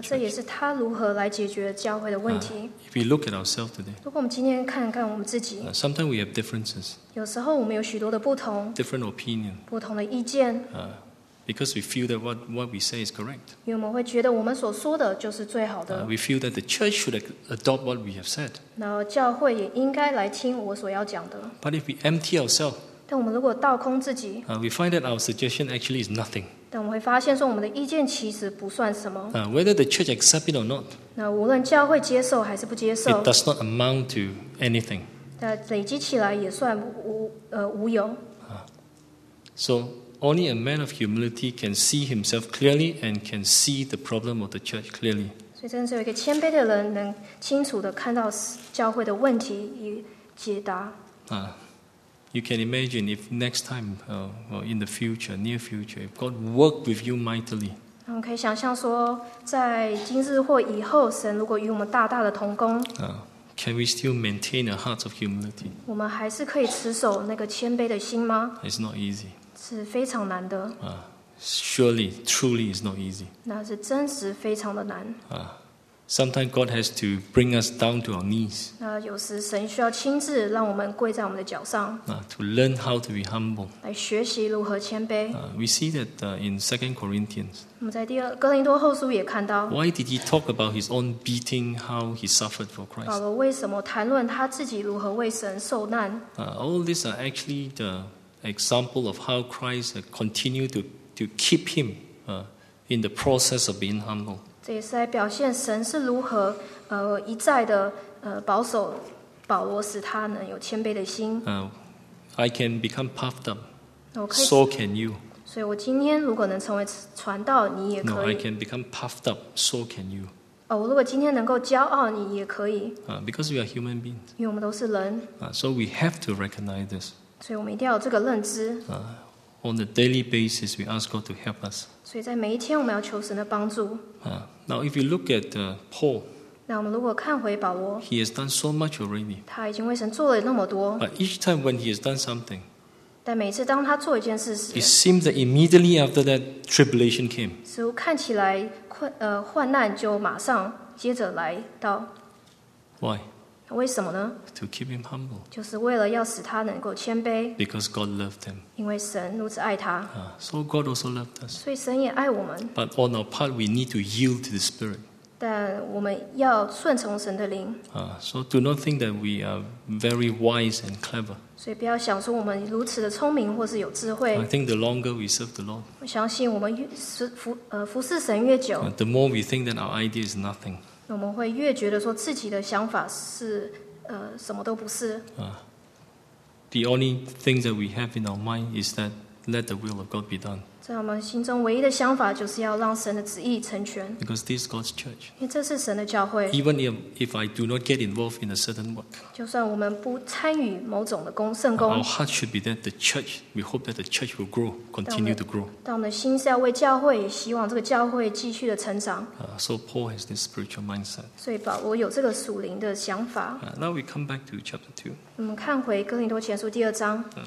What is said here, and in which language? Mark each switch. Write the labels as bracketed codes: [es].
[zh] 那这也是他如何来解决教会的问题。 [en] If we look at ourselves today, [zh] 如果我们今天看看我们自己， [en] sometimes we have differences. [zh] 有时候我们有许多的不同， [en] different opinion, [zh] 不同的意见。 [en] Because we feel that what we say is correct. [zh] 因为我们会觉得我们所说的就是最好的。 [en] We feel that the church should adopt what we have said. [zh] 那教会也应该来听我所要讲的。 [en] But if we empty ourselves, [zh] 但我们如果倒空自己， [en] we find that our suggestion actually is nothing. [zh] 但我们会发现说我们的意见其实不算什么。 [en] Whether the church accept it or not, [zh] 那无论教会接受还是不接受， [en] it does not amount to anything. [zh] 但累积起来也算无有。 [en] So only a man of humility can see himself clearly and can see the problem of the church clearly. [zh] 所以真的是有一个谦卑的人能清楚地看到教会的问题与解答。 [en] You can imagine if next time, or in the future, near future, if God worked with you mightily. [zh] 我们可以想象说，在今日或以后，神如果与我们大大的同工。 [en] Can we still maintain a heart of humility? [zh] 我们还是可以持守那个谦卑的心吗？ [en] It's not easy. [zh] 是非常难的。 [en] Surely, truly, it's not easy. [zh] 那是真实非常的难。 [en] Sometimes God has to bring us down to our knees. [zh] 那有时神需要亲自让我们跪在我们的脚上。 [en] To learn how to be humble. [zh] 来学习如何谦卑。 [en] We see that in 2 Corinthians. [zh] 我们在第二哥林多后书也看到。 [en] Why did he talk about his own beating, how he suffered for Christ? [zh] 保罗为什么谈论他自己如何为神受难？ [en] All these are actually the example of how Christ continued to keep him in the process of being humble. [zh] 这也是来表现神是如何一再的保守保罗，使他能有谦卑的心。 [en] I can become puffed up. So can you. [zh] 所以我今天如果能成为传道，你也可以。 [en] No, I can become puffed up. So can you. [zh] 我如果今天能够骄傲，你也可以。 [en] Because we are human beings. [zh] 因为我们都是人。 [en] So we have to recognize this. [zh] 所以我们一定要有这个认知。 [en] On a daily basis, we ask God to help us. [zh] 所以在每一天，我们要求神的帮助。 [en] Now, if you look at Paul, [zh] 那我们如果看回保罗， [en] he has done so much already. [zh] 他已经为神做了那么多。 [en] But each time when he has done something, [zh] 但每次当他做一件事时， [en] it seems that immediately after that tribulation came. [zh] 似乎看起来患难就马上接着来到。 [en] Why? [zh] 为什么呢？ [en] To keep him humble. [zh] 就是为了要使他能够谦卑。 [en] Because God loved him. [zh] 因为神如此爱他。 [en] So God also loved us. [zh] 所以神也爱我们。 [en] But on our part, we need to yield to the Spirit. [zh] 但我们要顺从神的灵。 [en] So do not think that we are very wise and clever. [zh] 所以不要想说我们如此的聪明或是有智慧。 [en] I think the longer we serve the Lord. [zh] 我相信我们服侍神越久。 [en] The more we think that our idea is nothing. [zh] 我们会越觉得说自己的想法是什么都不是。 [en] The only thing that we have in our mind is that let the will of God be done. [zh] 在我们心中唯一的想法就是要让神的旨意成全。 [en] Because this is God's church. [zh] 因为这是神的教会。 [en] Even if I do not get involved in a certain work. [zh] 就算我们不参与某种的圣工。 [en] Our heart should be that the church, we hope that the church will grow, continue to grow. [zh] 但我们的心是要为教会，也希望这个教会继续的成长。 [en] So Paul has this spiritual mindset. [zh] 所以保罗有这个属灵的想法。 [en] Now we come back to chapter 2. [zh] 我们看回哥林多前书第二章。